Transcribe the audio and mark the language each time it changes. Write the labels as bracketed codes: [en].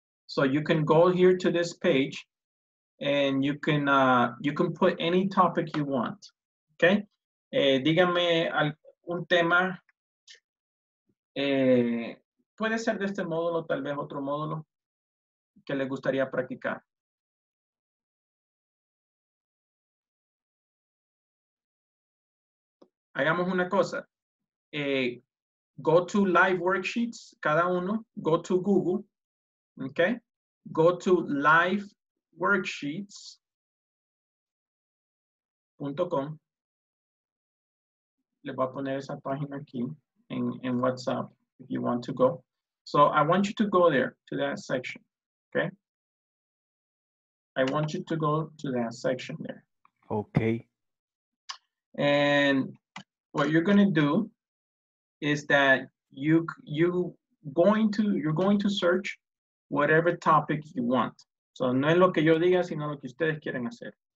[en] So you can go here to this page and you can put any topic you want. Okay? [es] Dígame un tema, puede ser de este módulo, tal vez otro módulo que les gustaría practicar. Hagamos una cosa. [en] Go to Live Worksheets, [es] cada uno. [en] Go to Google. Okay. Go to Live Worksheets.com. [es] Les voy a poner esa página aquí en WhatsApp, [en] if you want to go. So I want you to go there, to that section, okay? I want you to go to that section there. Okay. And what you're gonna do is that you're going to search whatever topic you want. [es] So no es lo que yo diga, sino lo que ustedes quieren hacer.